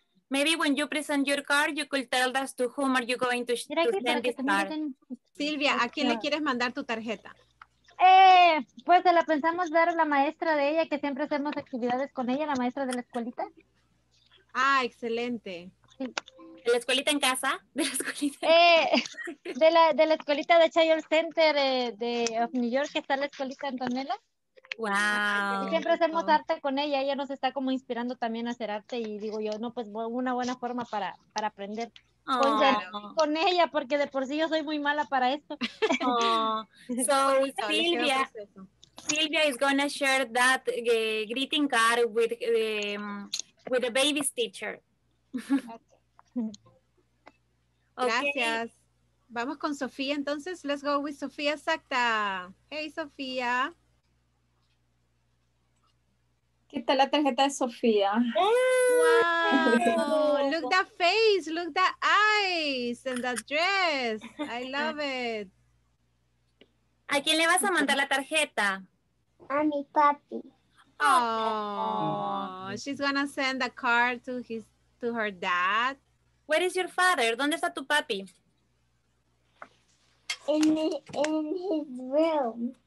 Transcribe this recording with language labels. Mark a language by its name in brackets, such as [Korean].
[English] Maybe when you present your card, you could tell us to whom are you going to send this card. [Spanish] Silvia, ¿a quién le quieres mandar tu tarjeta? Pues se la pensamos dar a la maestra de ella, que siempre hacemos actividades con ella, la maestra de la escuelita. Ah, excelente. Sí. ¿De la escuelita en casa? ¿De la escuelita? De la escuelita de Child Center de of New York, que está la escuelita Antonella. ¡Wow! Y siempre hacemos arte con ella. Ella nos está como inspirando también a hacer arte. Y digo yo, no, pues una buena forma para aprender. Con ella, porque de por sí yo soy muy mala para esto. [English] Silvia is going to share that greeting card with the baby's teacher. [Spanish] Okay. Gracias. Vamos con Sofía entonces. [English] Let's go with Sofía Sacta. Hey, Sofía. [Spanish] ¿Qué tal la tarjeta de Sofía? [English] Wow. Look that face, look that eyes and that dress. I love it. [Spanish] ¿A quién le vas a mandar la tarjeta? A mi papi. [English] Oh, she's gonna send a card to his to her dad. Where is your father? [Spanish] ¿Dónde está tu papi? [English] In his room.